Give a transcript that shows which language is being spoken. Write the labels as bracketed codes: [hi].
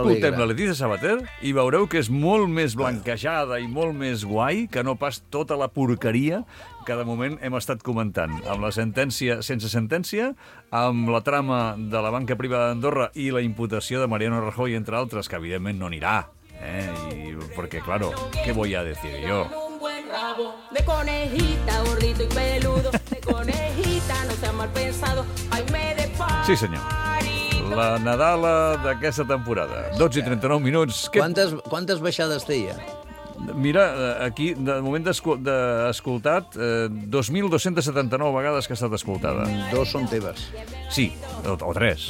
[ca] Ara escoltem la Letizia Sabater i veureu que és molt més blanquejada i molt més guai que no pas tota la porqueria que de moment hem estat comentant. Amb la sentència sense sentència, amb la trama de la banca privada d'Andorra i la imputació de Mariano Rajoy, entre altres, que evidentment no anirà. I perquè, [es] claro, què voy a decir yo? De conejita, gordito y peludo. De conejita, no seas mal pensado. Ay, me de pari. [ca] Sí, senyor. La Nadala d'aquesta temporada. 12 i 39 minuts. Quantes baixades té ja? Mira, aquí, de moment d'escoltat, 2.279 vegades que ha estat escoltada. Dos són teves. Sí, o tres.